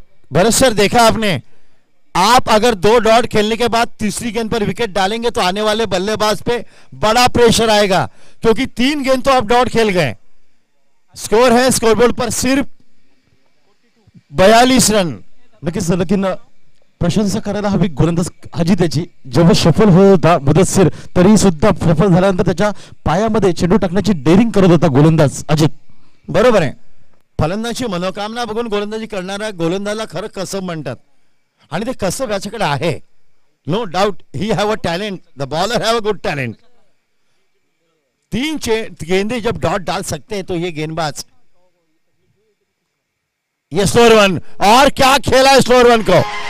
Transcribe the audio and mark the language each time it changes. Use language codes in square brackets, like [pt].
[hi] Bharat sir देखा आपने, आप अगर दो डॉट खेलने के बाद तीसरी गेंद पर विकेट डालेंगे तो आने वाले बल्लेबाज पे बड़ा प्रेशर आएगा, क्योंकि 3 गेंद तो आप डॉट खेल गए। स्कोर है स्कोरबोर्ड पर सिर्फ 42 रन। [mr] लेकिन प्रशंसा करायला हवी गोलंदाज अजित याची, जेव्हा सफल होत होता मुदस्सिर तरी सुद्धा सफल झाल्यानंतर त्याच्या पायामध्ये चेंडू टाकण्याची डेअरिंग करत होता गोलंदाज अजित। बरोबर आहे, फलंदाजी मनोकामना बघून गोलंदाजी करणाऱ्या गोलंदाजाला खरं कसब म्हणतात, आणि ते कसब याच्याकडे आहे, [en] No doubt, he have a talent, the bowler have a good talent. [hi] 3 गेंदे जब डॉट डाल सकते हैं तो ये गेंदबाज। ये स्लोर वन, और क्या खेला है स्लोर वन को,